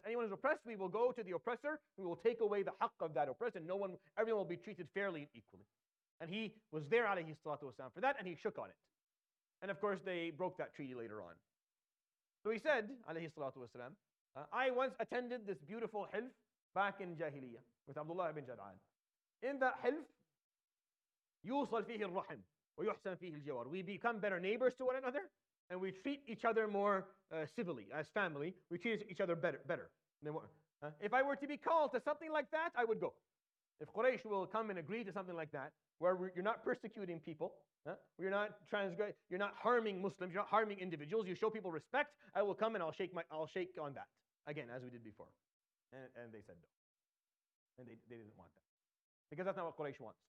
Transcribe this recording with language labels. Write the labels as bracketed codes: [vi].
[en] Anyone who's oppressed, we will go to the oppressor. We will take away the haqq of that oppressed, and everyone will be treated fairly and equally. And he was there, alayhi salatu wasalam, for that, and he shook on it. And of course, they broke that treaty later on. So he said, alayhi salatu wasalam, I once attended this beautiful hilf back in Jahiliyyah with Abdullah ibn Jad'an. In that hilf, [ar] يوصل فيه الرحم ويحسن فيه الجوار. [en] We become better neighbors to one another and we treat each other more civilly as family. We treat each other better. If I were to be called to something like that, I would go. If Quraysh will come and agree to something like that, where you're not persecuting people, you're not harming Muslims, you're not harming individuals, you show people respect, I will come and I'll shake on that. Again, as we did before. And they said no. And they didn't want that. Because that's not what Quraysh wants.